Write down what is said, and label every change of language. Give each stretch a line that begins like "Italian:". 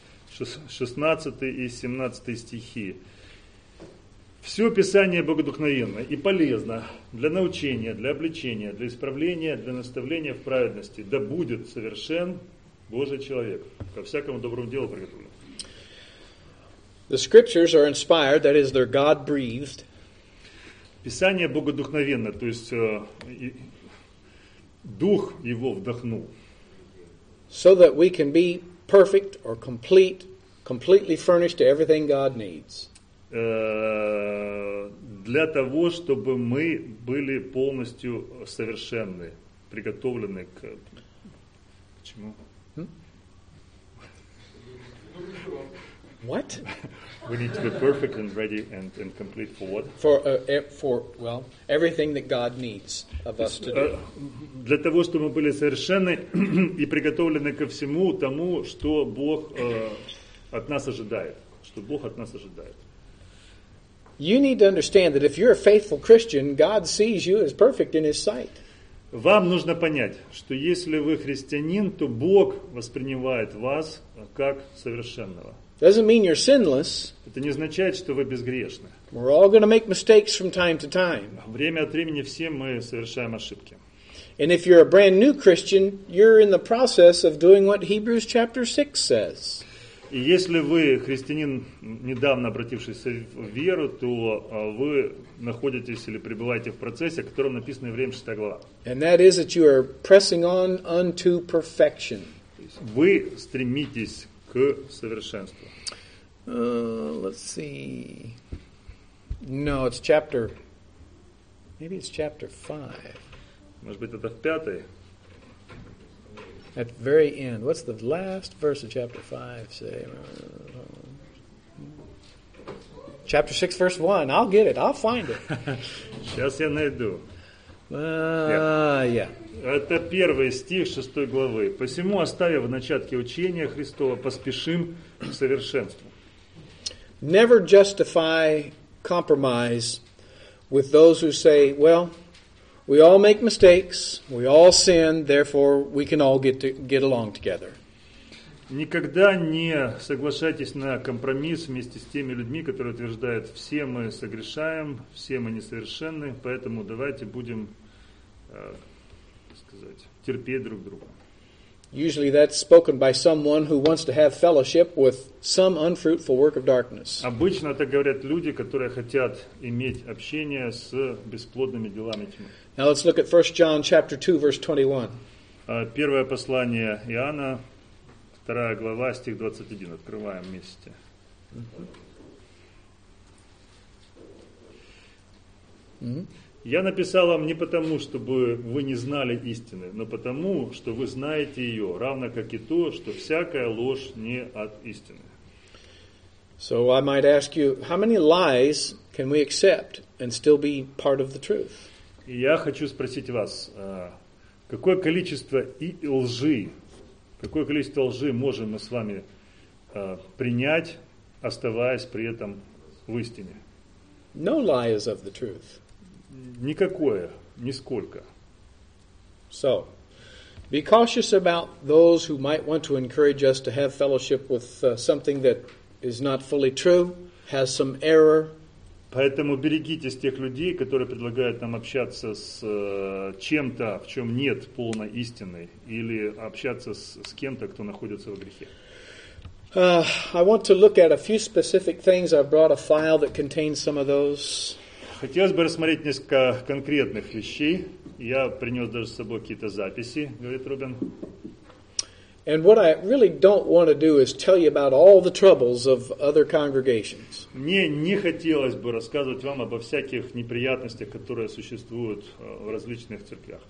Russian: 17. 16 и 17 стихи. Все Писание богодухновенно и полезно для научения, для обличения, для исправления, для наставления в праведности. Да будет совершен Божий человек, ко всякому доброму делу приготовлен.
English: The scriptures are inspired, that is, they're God-breathed.
Russian: Писание богодухновенно, то есть Дух его вдохнул.
English: So that we can be perfect or complete, completely furnished to everything God needs.
Russian: Для того, чтобы мы были полностью совершенны, приготовлены к... К чему?
English: What? We need to be perfect and ready and complete for what? For everything that God needs of us to do.
Russian: Для того, чтобы мы были совершенны и приготовлены ко всему тому, что Бог от нас ожидает. Что Бог от нас ожидает.
English: You need to understand that if you're a faithful Christian, God sees you as perfect in His sight.
Russian: Вам нужно понять, что если вы христианин, то Бог воспринимает вас как совершенного.
English: Doesn't mean you're sinless.
Russian: Это не означает, что вы безгрешны.
English: We're all going to make mistakes from time to time.
Russian: Время от времени все мы совершаем ошибки.
English: And if you're a brand new Christian, you're in the process of doing what Hebrews chapter 6 says.
Russian: И если вы христианин, недавно обратившийся в веру, то вы находитесь или пребываете в процессе, о котором написано в Евреям 6 глава.
English: And that is that you are pressing on unto perfection.
Russian: Вы стремитесь к совершенству.
English: Let's see. No, it's chapter. Maybe it's chapter 5.
Russian: Может быть, это в пятой.
English: At the very end. What's the last verse of chapter 5 say? Chapter 6, verse 1. I'll get it. I'll find it.
Russian: Сейчас я найду.
English: Yeah.
Russian: Это первый стих 6 главы. Посему, оставив в начатке учения Христова, поспешим к совершенству.
English: Never justify compromise with those who say, well, we all make mistakes, we all sin, therefore we can all get along together.
Russian: Никогда не соглашайтесь на компромисс вместе с теми людьми, которые утверждают, все мы согрешаем, все мы несовершенны, поэтому давайте будем... терпеть друг друга.
English: Usually that's spoken by someone who wants to have fellowship with some unfruitful work of darkness.
Russian: Обычно это говорят люди, которые хотят иметь общение с бесплодными делами тьмы.
English: Now let's look at 1 John chapter 2 verse 21.
Russian: Первое послание Иоанна, 2 глава, стих 21. Открываем вместе. Я написал вам не потому, чтобы вы не знали истины, но потому, что вы знаете ее, равно как и то, что всякая ложь не от истины.
English: So I might ask you, how many lies can we accept and still be part of the truth?
Russian: И я хочу спросить вас, какое количество лжи, какое количество лжи можем мы с вами принять, оставаясь при этом в истине?
English: No lie is of the truth.
Russian: Никакое, нисколько.
English: So, be cautious about those who might want to encourage us to have fellowship with something that is not fully true, has some error.
Russian: Поэтому берегитесь тех людей, которые предлагают нам общаться с чем-то, в чем нет полной истины, или общаться с кем-то, кто находится в грехе.
English: I want to look at a few specific things. I've brought a file that contains some of those.
Russian: Хотелось бы рассмотреть несколько конкретных вещей. Я принес даже с собой какие-то записи, говорит Рубин.
English: And what I really don't want to do is tell you about all the troubles of other congregations.
Russian: Мне не хотелось бы рассказывать вам обо всяких неприятностях, которые существуют в различных церквях.